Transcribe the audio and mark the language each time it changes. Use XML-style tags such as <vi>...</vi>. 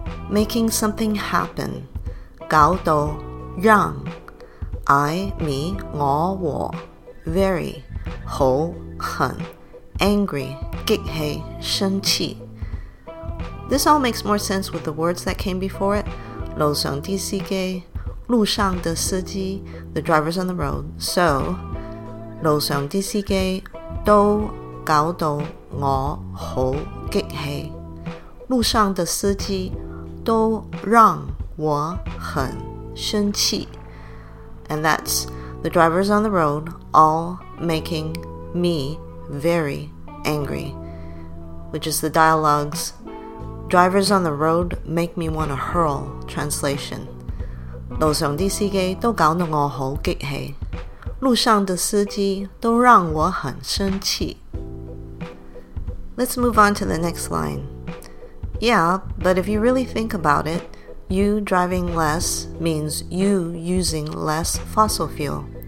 <en>making something happen,</en> <zh>搞得, 让,</zh> <en>I, me,</en> <zh>我, 我,</zh> <en>very,</en> <zh>好, 很,</zh> <en>angry,</en> <zh>激气, 生气.</zh> <en>This all makes more sense with the words that came before it.</en> <zh>路上的司机, 路上的司机,</zh> <en>the drivers on the road. So,</en> <zh>路上的司机都搞得我好激气, 路上的司机都让我很生气。</zh> <en>And that's the drivers on the road all making me very angry. Which is the dialogue's drivers on the road make me want to hurl translation.</en> <zh>路上的司机都搞得我好激气，路上的司机都让我很生气。</zh> <en>Let's move on to the next line. Yeah, but if you really think about it,You driving less means you using less fossil fuel.</en>